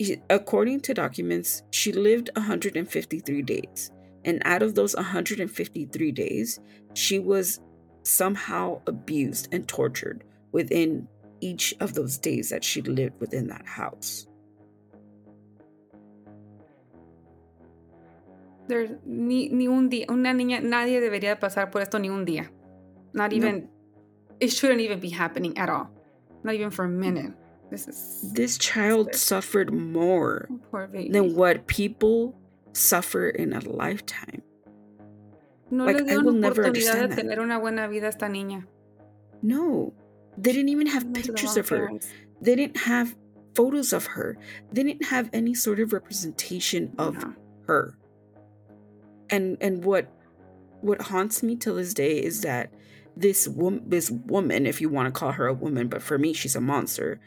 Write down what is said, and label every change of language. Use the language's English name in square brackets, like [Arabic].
[English] According to documents, she lived 153 days. And out of those 153 days, she was somehow abused and tortured within each of those days that she lived within that house. [Spanish] There's ni un día, una niña, nadie debería pasar por esto ni un día. [English] Not even, it shouldn't even be happening at all. Not even for a minute. This child suffered more than what people suffer in a lifetime. [Spanish] No le dio una oportunidad de tener una buena vida a esta niña. [English] No, they didn't even have pictures of her. They didn't have photos of her. They didn't have any sort of representation of her. And what haunts me till this day is that this woman, if you want to call her a woman, but for me, she's a monster.